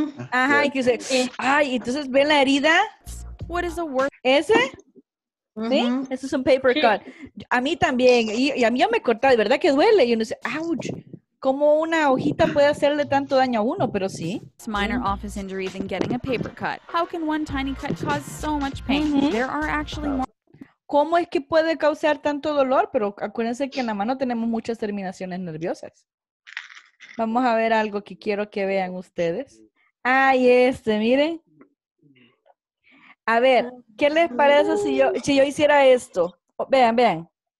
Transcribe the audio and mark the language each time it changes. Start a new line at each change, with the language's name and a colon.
Spanish: Ajá, y que se... Ay, entonces, ¿ven la herida?
English: What is the word?
Spanish: ¿Ese? ¿Sí? Uh-huh. Eso es un paper cut. A mí también. Y a mí ya me cortaba. De verdad que duele. Y uno dice, ouch. ¿Cómo una hojita puede hacerle tanto daño a uno? Pero sí.
English: It's minor office injuries and getting a paper cut. How can one tiny cut cause so much pain? There are actually more.
Spanish: ¿Cómo es que puede causar tanto dolor? Pero acuérdense que en la mano tenemos muchas terminaciones nerviosas. Vamos a ver algo que quiero que vean ustedes. Ay, este, miren. A ver, ¿qué les parece si yo hiciera esto? Vean, vean.